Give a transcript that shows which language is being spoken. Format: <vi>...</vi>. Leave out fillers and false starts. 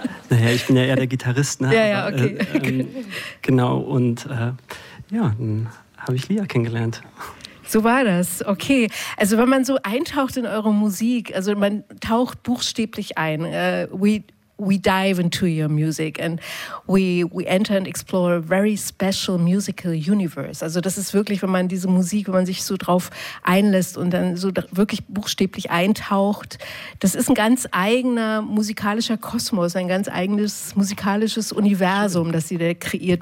<de>Naja, ich bin ja eher der Gitarrist, ne? Ja, aber, ja, okay. Genau, und ja, dann habe ich Lia kennengelernt. So war das, okay. Also wenn man so eintaucht in eure Musik, also man taucht buchstäblich ein.</de> <en>We dive into your music and we enter and explore a very special musical universe.</en> <de>Also das ist wirklich, wenn man diese Musik, wenn man sich so drauf einlässt und dann so wirklich buchstäblich eintaucht, das ist ein ganz eigener musikalischer Kosmos, ein ganz eigenes musikalisches Universum, das ihr da kreiert.</de>